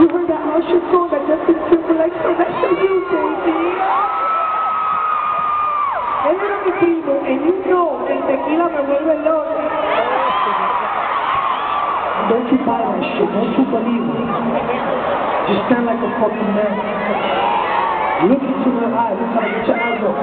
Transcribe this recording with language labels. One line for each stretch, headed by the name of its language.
English: You heard that Usher song that Justin Timberlake said, that's for you, baby.
Spanish: Él era mi primo,
English: and you know,
Spanish: el tequila me vuelve loco.
English: Don't you buy that shit, don't you believe it. Just stand like a fucking man. Look into her eyes, look at each other.